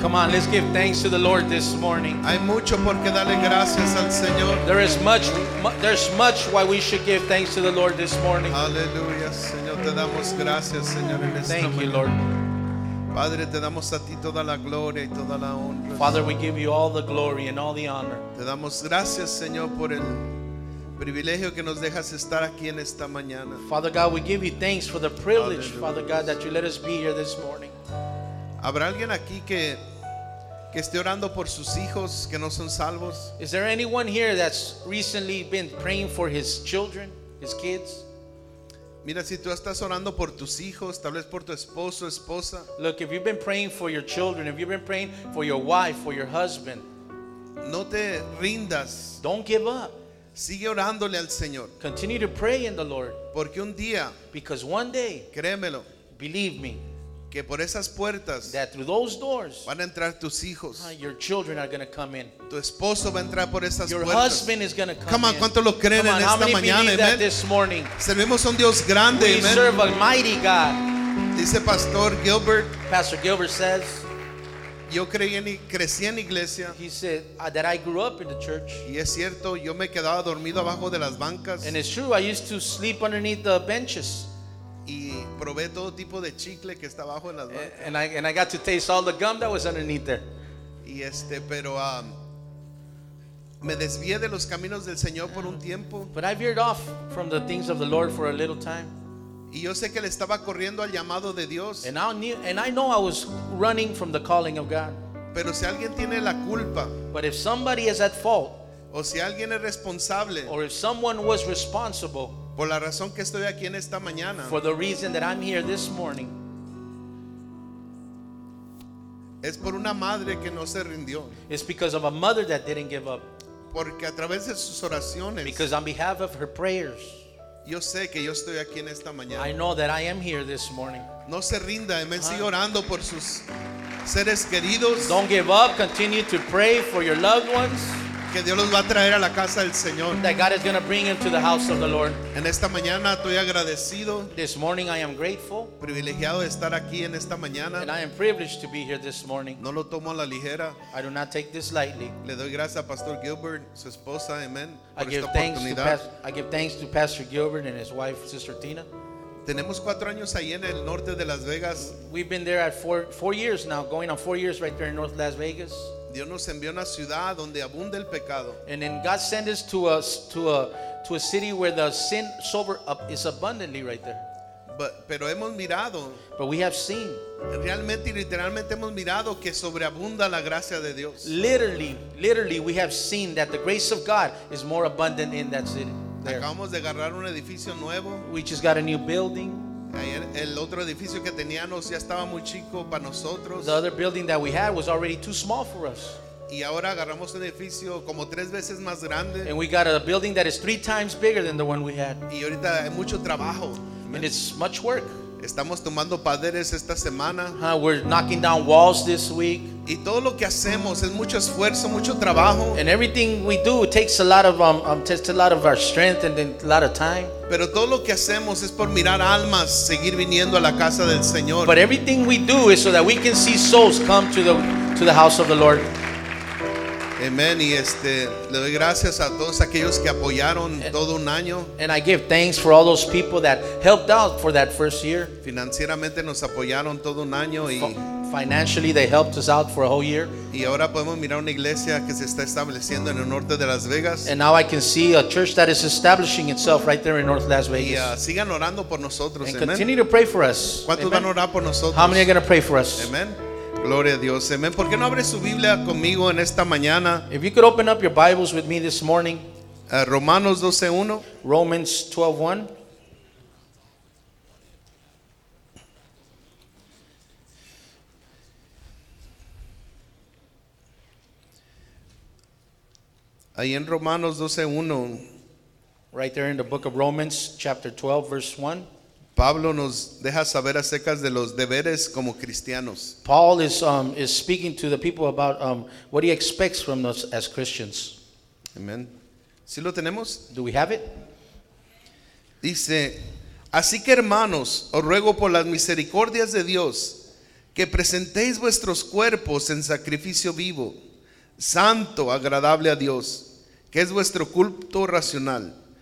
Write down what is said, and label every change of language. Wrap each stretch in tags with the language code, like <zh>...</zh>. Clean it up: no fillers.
<en>Come on, let's give thanks to the Lord this morning.</en> <es>Hay mucho por qué darle gracias al Señor.</es> <en>There is much, there's much why we should give thanks to the Lord this morning.</en> <es>Aleluya, Señor, te damos gracias, Señor, en esta</es> <en>Thank</en> <es>mañana.</es> <en>You, Lord.</en> <es>Padre, te damos a ti toda la gloria y toda la honra.</es> <en>Father, we give you all the glory and all the honor.</en> <es>Te damos gracias, Señor, por el privilegio que nos dejas estar aquí en esta mañana.</es> <en>Father God, we give you thanks for the privilege, Aleluya, Father God, that you let us be here this morning.</en> <es>¿Habrá alguien aquí que esté orando por sus hijos que no son salvos?</es> <en>Is there anyone here that's recently been praying for his children, his kids?</en> <es>Mira, si tú estás orando por tus hijos, tal vez por tu esposo, esposa.</es> <en>Look, if you've been praying for your children, if you've been praying for your wife, for your husband,</en> <es>no te rindas.</es> <en>Don't give up.</en> <es>Sigue orándole al Señor.</es> <en>Continue to pray in the Lord.</en> <es>Porque un día,</es> <en>because one day,</en> <es>créemelo,</es> <en>believe me,</en> <es>Que por esas puertas</es> <en>that through those doors,</en> <es>van a entrar tus hijos.</es> <en>Your children are going to come in.</en> <es>Tu esposo va a entrar por esas</es> <en>your</en> <es>puertas.</es> <en>Your husband is going to come in. Come on,</en> <es>¿cuánto lo creen en esta mañana?</es> <en>Amen. This morning.</en> <es>Servimos un Dios grande,</es> <en>we amen. Serve a mighty God.</en> <es>Dice Pastor Gilbert.</es> <en>Pastor Gilbert says,</en> <es>yo crecí en iglesia.</es> <en>He said that I grew up in the church.</en> <es>Y es cierto, yo me quedaba dormido abajo de las bancas.</es> <en>And it's true, I used to sleep underneath the benches.</en> <es>Y probé todo tipo de chicle que estaba abajo en las bancas.</es> <en>And I got to taste all the gum that was underneath there.</en> <es>Y pero me desvié de los caminos del Señor por un tiempo.</es> <en>But I veered off from the things of the Lord for a little time.</en> <es>Y yo sé que le estaba corriendo al llamado de Dios.</es> <en>And I know I was running from the calling of God.</en> <es>Pero si alguien tiene la culpa,</es> <en>but if somebody is at fault,</en> <es>o si alguien es responsable,</es> <en>or if someone was responsible,</en> <es>por la razón que estoy aquí en esta mañana,</es> <en>for the reason that I'm here this morning,</en> <es>es por una madre que no se rindió.</es> <en>It's because of a mother that didn't give up.</en> <es>Porque a través de sus oraciones,</es> <en>because on behalf of her prayers,</en> <es>yo sé que yo estoy aquí en esta mañana.</es> <en>I know that I am here this morning.</en> <es>No se rinda, amén. Sigue orando por sus seres queridos.</es> <en>Don't give up. Continue to pray for your loved ones.</en> <es>Que Dios los va a traer a la casa del Señor.</es> <en>That God is going to bring them to the house of the Lord.</en> <es>En esta mañana estoy agradecido.</es> <en>This morning I am grateful.</en> <es>Privilegiado de estar aquí en esta mañana.</es> <en>And I am privileged to be here this morning.</en> <es>No lo tomo a la ligera.</es> <en>I do not take this lightly.</en> <es>Le doy gracias a Pastor Gilbert, su esposa, amén.</es> <en>I give thanks to Pastor Gilbert and his wife, Sister Tina.</en> <es>Tenemos 4 años ahí en el norte de Las Vegas.</es> <en>We've been there at four years now, going on 4 years right there in North Las Vegas.</en> <es>Dios nos envió a una ciudad donde abunda el pecado.</es> <en>And then God sent us to a city where the sin sober up is abundantly right there.</en> <es>Pero hemos mirado.</es> <en>But we have seen.</en> <es>Realmente y literalmente hemos mirado que sobreabunda la gracia de Dios.</es> <en>Literally, we have seen that the grace of God is more abundant in that city. There.</en> <es>Acabamos de agarrar un edificio nuevo.</es> <en>We just got a new building.</en> <es>El otro edificio que teníamos ya estaba muy chico para nosotros.</es> <en>The other building that we had was already too small for us.</en> <es>Y ahora agarramos un edificio como 3 veces más grande.</es> <en>And we got a building that is 3 times bigger than the one we had.</en> <es>Y ahorita hay mucho trabajo.</es> <en>And it's much work.</en> <es>Estamos tomando paredes esta semana.</es> <en>We're knocking down walls this week.</en> <es>Y todo lo que hacemos es mucho esfuerzo, mucho trabajo.</es> <en>And everything we do takes a lot of takes a lot of our strength and then a lot of time.</en> <es>Pero todo lo que hacemos es por mirar almas seguir viniendo a la casa del Señor.</es> <en>But everything we do is so that we can see souls come to the house of the Lord. Amen.</en> <es>Y le doy gracias a todos aquellos que apoyaron todo un año.</es> <en>And I give thanks for all those people that helped out for that first year.</en> <es>Financieramente nos apoyaron todo un año y</es> <en>financially they helped us out for a whole year.</en> <es>Y ahora podemos mirar una iglesia que se está estableciendo en el norte de Las Vegas.</es> <en>And now I can see a church that is establishing itself right there in North Las Vegas.</en> <es>Y sigan orando por nosotros.</es> <en>And continue to pray for us.</en> <es>¿Cuántos van a orar por nosotros?</es> <en>How many are going to pray for us?</en> <es>Amen. Gloria a Dios. Amén. ¿Por qué no abre su Biblia conmigo en esta mañana?</es> <en>If you could open up your Bibles with me this morning.</en> <es>Romanos 12:1.</es> <en>Romans 12:1.</en> <es>Ahí en Romanos 12:1.</es> <en>Right there in the book of Romans, chapter 12, verse 1.</en> <es>Pablo nos deja saber acerca de los deberes como cristianos.</es> <en>Paul is speaking to the people about what he expects from us as Christians.</en> <es>Amen. ¿Sí lo tenemos?</es> <en>Do we have it?</en> <es>Dice, así que hermanos, os ruego por las misericordias de Dios que presentéis vuestros cuerpos en sacrificio vivo, santo, agradable a Dios, que es vuestro culto racional.</es>